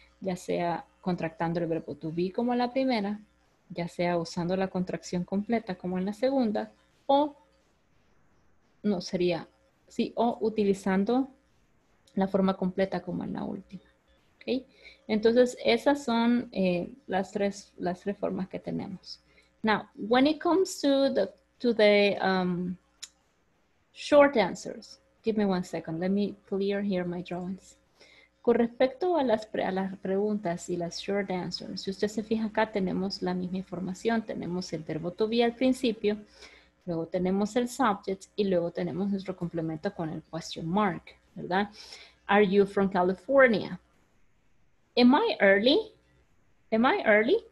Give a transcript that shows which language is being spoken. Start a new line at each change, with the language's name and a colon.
Spanish: Ya sea contractando el verbo to be como la primera, ya sea usando la contracción completa como en la segunda, o no sería, sí, o utilizando la forma completa como en la última, ¿ok? Entonces, esas son las tres formas que tenemos.
English: Now, when it comes to the short answers, give me one second, let me clear here my drawings.
Spanish: Con respecto a las preguntas y las short answers, si usted se fija acá, tenemos la misma información, tenemos el verbo to be al principio, luego tenemos el subject y luego tenemos nuestro complemento con el question mark, ¿verdad?
English: Are you from California? Am I early?